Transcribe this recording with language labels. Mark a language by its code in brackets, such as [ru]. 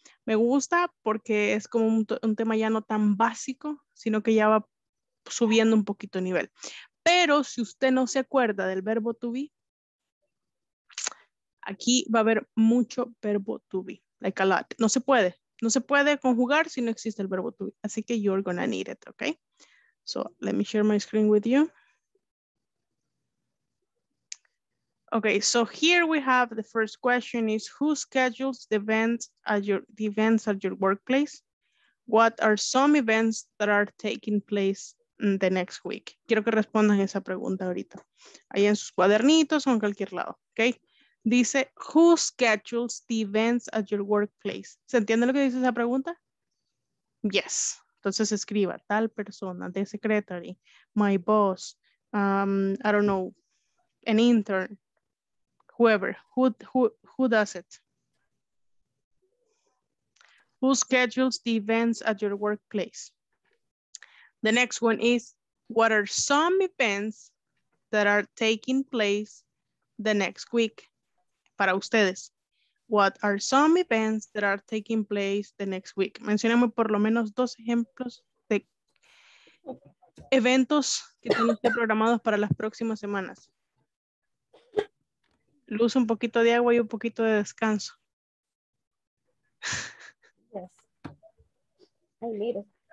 [es] Me gusta porque es como un tema ya no tan básico, sino que ya va subiendo un poquito de nivel. Pero si usted no se acuerda del verbo to be, aquí va a haber mucho verbo to be, [en] like a lot. [es] No se puede. No se puede conjugar si no existe el verbo to be. Así que [en] you're gonna need it, okay? So let me share my screen with you. Okay, so here we have the first question is who schedules the events at your workplace? What are some events that are taking place in the next week? [es] Quiero que respondan esa pregunta ahorita. Ahí en sus cuadernitos o en cualquier lado, okay? Dice, [en] who schedules the events at your workplace? [es] ¿Se entiende lo que dice esa pregunta? [en] Yes. [es] Entonces escriba, tal persona, [en] the secretary, my boss, I don't know, an intern, whoever, who does it? Who schedules the events at your workplace? The next one is, what are some events that are taking place the next week? [es] Para ustedes, [en] what are some events that are taking place the next week? [es] Mencionemos por lo menos dos ejemplos de eventos que tenemos programados para las próximas semanas. Luz, un poquito de agua y un poquito de descanso. [en] Yes. I need it.